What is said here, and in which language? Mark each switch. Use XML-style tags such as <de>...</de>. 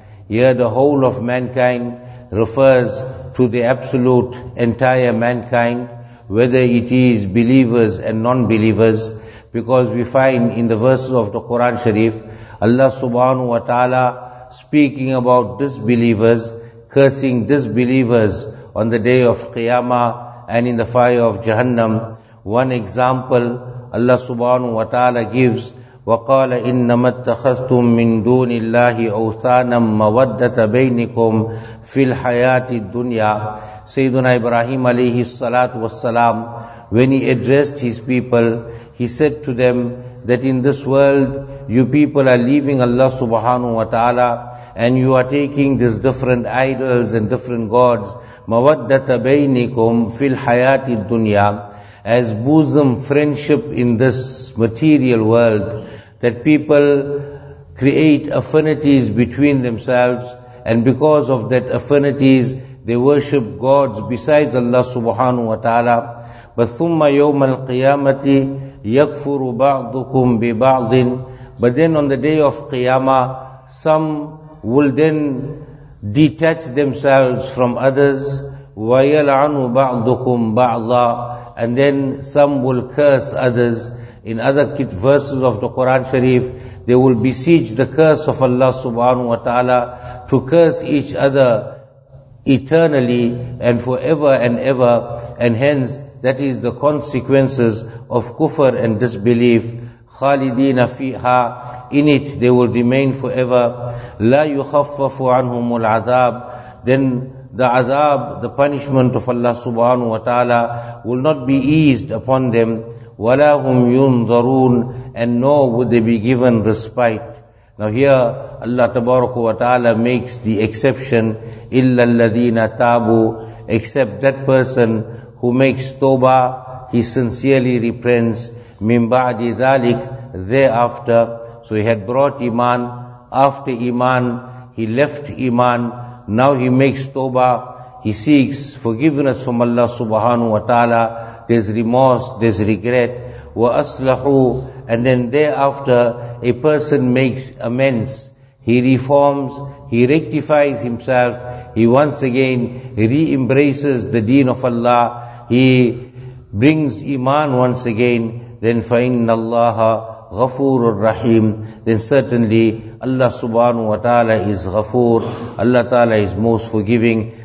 <en>Here the whole of mankind refers to the absolute entire mankind, whether it is believers and non-believers, because we find in the verses of the Quran Sharif, Allah subhanahu wa ta'ala speaking about disbelievers, cursing disbelievers on the day of Qiyamah and in the fire of Jahannam. One example Allah subhanahu wa ta'ala gives,</en> <ar>وَقَالَ إِنَّمَا اتَّخَذْتُم مِّن دُونِ اللَّهِ أَوْثَانًا مَوَدَّةَ بَيْنِكُمْ فِي الْحَيَاةِ الدُّنْيَا.</ar> <en>Sayyiduna Ibrahim alayhi salatu wassalam, when he addressed his people, he said to them that in this world, you people are leaving Allah subhanahu wa ta'ala and you are taking these different idols and different gods,</en> <ar>مَوَدَّةَ بَيْنِكُمْ فِي الْحَيَاةِ الدُّنْيَا,</ar> <en>as bosom friendship in this material world, that people create affinities between themselves, and because of that affinities, they worship gods besides Allah subhanahu wa ta'ala.</en> <ar>But ثُمَّ يَوْمَ الْقِيَامَةِ يَكْفُرُ بَعْضُكُمْ بِبَعْضٍ.</ar> <en>But then on the day of Qiyamah, some will then detach themselves from others.</en> <ar>وَيَلْعَنُ بَعْضُكُمْ بَعْضًا.</ar> <en>And then some will curse others. In other verses of the Quran Sharif, they will beseech the curse of Allah subhanahu wa ta'ala to curse each other eternally and forever and ever. And hence, that is the consequences of kufr and disbelief.</en> <ar>خَالِدِينَ فِيهَا,</ar> <en>in it they will remain forever.</en> <ar>لَا يُخَفَّفُ عَنْهُمُ الْعَذَابُ,</ar> <en>then the azab, the punishment of Allah subhanahu wa ta'ala will not be eased upon them.</en> <ar>وَلَا هُمْ يُنظَرُونَ,</ar> <en>and nor would they be given respite. Now here Allah tabaraka wa ta'ala makes the exception,</en> <ar>إِلَّا الَّذِينَ تَابُوا,</ar> <en>except that person who makes tawbah, he sincerely repents.</en> <ar>مِنْ بَعْدِ ذَلِكَ, thereafter.</ar> <en>So he had brought iman, after iman, he left iman. Now he makes tawbah, he seeks forgiveness from Allah subhanahu wa ta'ala, there's remorse, there's regret.</en> <ar>وَأَصْلَحُ,</ar> <en>and then thereafter a person makes amends, he reforms, he rectifies himself, he once again re-embraces the deen of Allah, he brings iman once again, then</en> <ar>فَإِنَّ اللَّهَ غَفُورُ الرَّحِيمُ,</ar> <en>then certainly Allah subhanahu wa ta'ala is ghafoor, Allah ta'ala is most forgiving.</en>